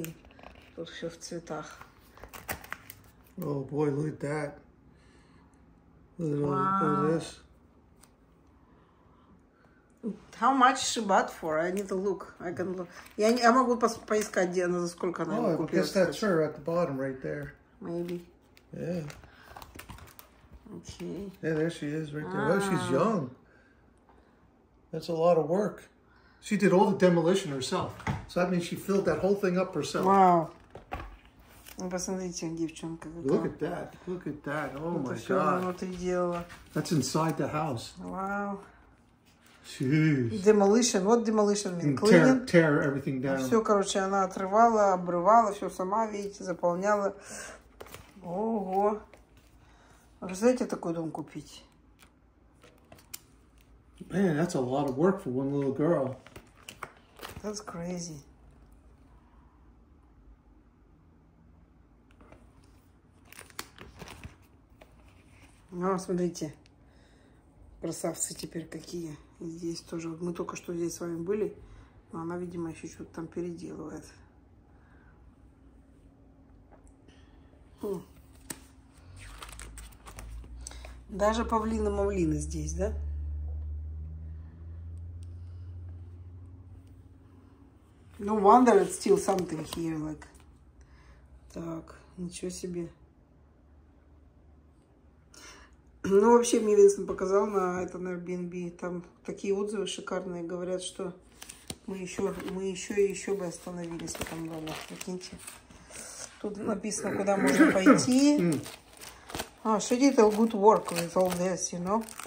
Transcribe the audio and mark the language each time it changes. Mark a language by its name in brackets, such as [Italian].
[Russian] И тут все в цветах. [English] Oh boy, look at that. Look at this. How much she bought for? I need to look. I can look. [Russian] Я могу поискать, где она, за сколько она купила. [English] Oh, I guess that's her at the bottom right there. Maybe. Yeah. Okay. Yeah, there she is right there. Oh, she's young. That's a lot of work. She did all the demolition herself. So that means she filled that whole thing up herself. Wow. [Russian] Ну, посмотрите, девчонка. [English] Look at that. Look at that. Oh, [Russian] это Это все внутри делала. [English] That's inside the house. Wow. Jeez. Demolition. What demolition mean? Cleaning? Tear everything down. [Russian] Все, короче, она отрывала, обрывала, все сама, видите, заполняла. Ого. Представляете, такой дом купить? [English] Man, that's a lot of work for one little girl. That's crazy. [Russian] Ну, смотрите, красавцы теперь какие. Здесь тоже. Мы только что здесь с вами были, но она, видимо, еще что-то там переделывает. Фу. Даже павлины-мавлины здесь, да? [English] No wonder it's still something here, like. [Russian] Так, ничего себе. Ну, вообще, мне Винсен показал на это на Airbnb. Там такие отзывы шикарные. Говорят, что мы еще бы остановились в этом доме. Прикиньте. Тут написано, куда можно пойти. [English] А, she did a good work with all this, you know?